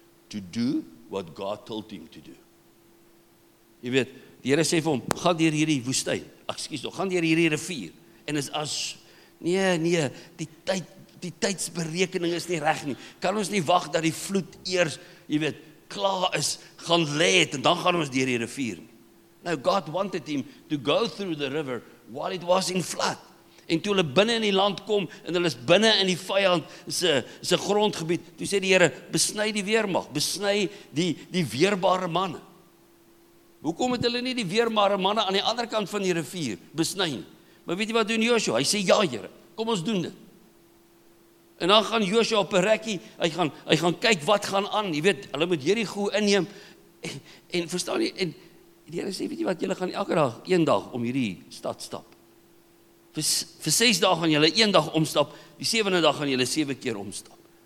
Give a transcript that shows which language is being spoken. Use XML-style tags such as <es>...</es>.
<en>To do what God told him to do.</en> <af>Jy weet, die Here sê vir hom, gaan deur hierdie woestyn, gaan deur hierdie rivier, en is as, nee, die tydsberekening is nie reg nie, kan ons nie wag dat die vloed eers, jy weet, klaar is, gaan lê het, en dan gaan ons deur die rivier.</af> <en>Now, God wanted him to go through the river while it was in flood,</en> <af>en toe hulle binne in die land kom, en hulle is binne in die vijand, se grondgebied, toe sê die Here, besny die weermag, besny die weerbare manne. Hoekom het hulle nie die weermare manne aan die ander kant van die rivier besny? Maar weet jy wat doen Joshua? Hy sê, ja Here, kom ons doen dit. En dan gaan Joshua op 'n rekkie, hy gaan kyk wat gaan aan, jy weet, hulle moet Jericho inneem, en verstaan jy, en die Here sê, weet jy wat, julle gaan elke dag, een dag om hierdie stad stap. Vir 6 dae gaan julle een dag omstap, die 7de dag gaan julle 7 keer omstap.</af>